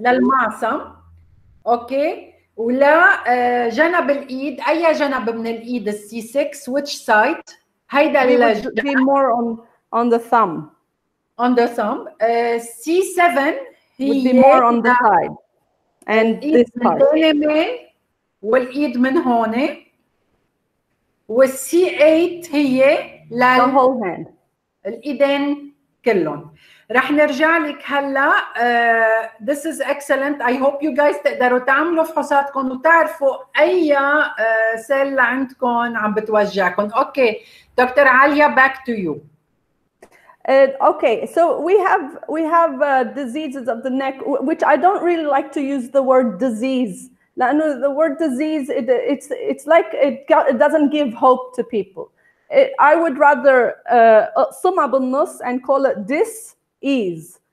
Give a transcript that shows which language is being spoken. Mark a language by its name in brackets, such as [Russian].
[Arabic] للمعصم اوكي ولا جنب الايد اي جنب من الايد C6 [English] which side [Arabic] هيدا اللي [English] more on the thumb on the thumb, C7 would be more on the side and this part. [Arabic] والإيد من هون والC8 هي [English] لل the whole hand. [Arabic] الإيدين كلهم. رح نرجع لك هلا. [English] This is excellent. I hope you guys [Arabic] تقدروا تعملوا فحوصاتكم وتعرفوا أي سيل عندكم عم بتوجعكم. [English] Okay, Dr. Alia, back to you. Okay, so we have diseases of the neck, which I don't really like to use the word disease. No, the word disease, it's like it doesn't give hope to people. I would rather summa [Arabic] بالنص [English] and call it dis-ease.